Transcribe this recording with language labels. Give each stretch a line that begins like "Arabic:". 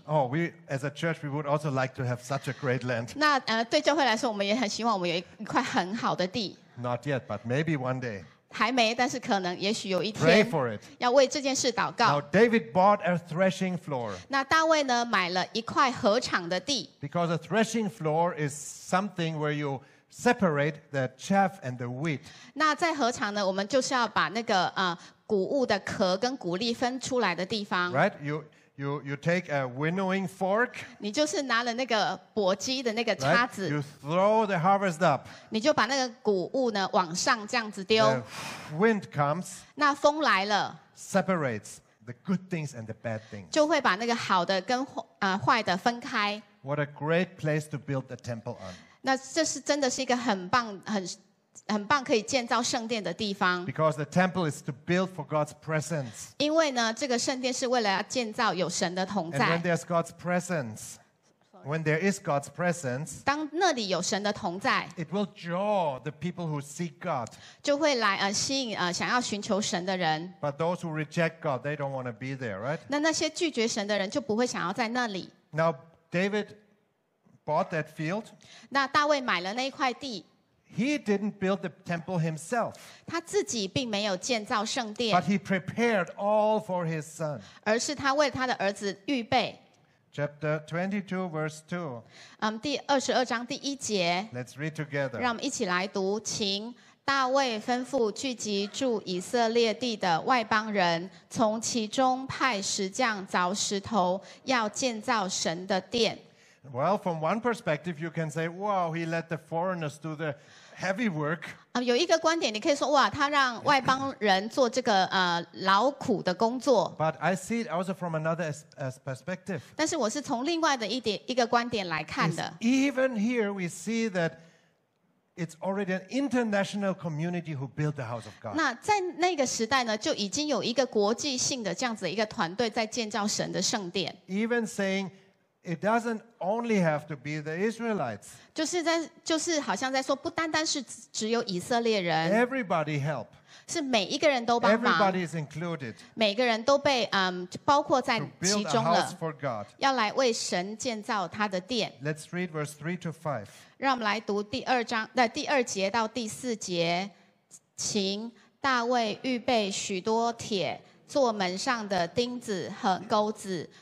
English: Oh, we as a church, we would also like to have such a great land.
Chinese: 那对教会来说，我们也很希望我们有一块很好的地。
English: Not yet, but maybe one day.
Chinese: 还没，但是可能，也许有一天。
English: Pray for it.
Chinese: 要为这件事祷告。
English: Now David bought a threshing floor.
Chinese: 那大卫呢，买了一块禾场的地。
English: Because a threshing floor is something where you separate the chaff and the wheat.
Chinese: 那在禾场呢，我们就是要把那个谷物的壳跟谷粒分出来的地方。
English: Right, you take a winnowing fork.
Chinese: 你就是拿了那个簸箕的那个叉子。
English: Right? You throw the harvest up.
Chinese: 你就把那个谷物呢往上这样子丢。
English: The wind comes.
Chinese: 那风来了。
English: Separates the good things and the bad things.
Chinese: 就会把那个好的跟坏的分开。
English: What a great place to build the temple on.
Chinese: 那这是真的是一个很棒可以建造圣殿的地方。
English: Because the temple is to build for God's presence.
Chinese: 因为呢，这个圣殿是为了要建造有神的同在。
English: And when there's God's presence, when there is God's presence,
Chinese: 当那里有神的同在，
English: it will draw the people who seek God.
Chinese: 就会来吸引想要寻求神的人。
English: But those who reject God, they don't want to be there, right?
Chinese: 那些拒绝神的人就不会想要在那里。
English: Now David bought that field.
Chinese: 那大卫买了那一块地。
English: He didn't build the temple himself.
Chinese: 他自己并没有建造圣殿。
English: But he prepared all for his son.
Chinese: 而是他为他的儿子预备。
English: Chapter 22, verse 2.
Chinese: 第22章第一节。
English: Let's read together.
Chinese: 让我们一起来读，请大卫吩咐聚集住以色列地的外邦人，从其中派石匠凿石头，要建造神的殿。
English: Well, from one perspective, you can say, "Wow, he let the foreigners do the heavy work."
Chinese: 有一个观点，你可以说，哇，他让外邦人做这个劳苦的工作。
English: But I see it also from another perspective.
Chinese: 但是我是从另外的一个观点来看的。
English: Even here, we see that it's already an international community who built the house of God.
Chinese: 那在那个时代呢，就已经有一个国际性的这样子一个团队在建造神的圣殿。
English: Even saying. It doesn't only have to be the Israelites.
Chinese: 就是好像在说，不单单是只有以色列人。
English: Everybody help.
Chinese: 是每一个人都帮忙。
English: Everybody is included.
Chinese: 每个人都被包括在其中了。
English: To build a house for God.
Chinese: 要来为神建造他的殿。
English: Let's read verse 3-5.
Chinese: 让我们来读第二节到第四节，请大卫预备许多铁做门上的钉子和钩子。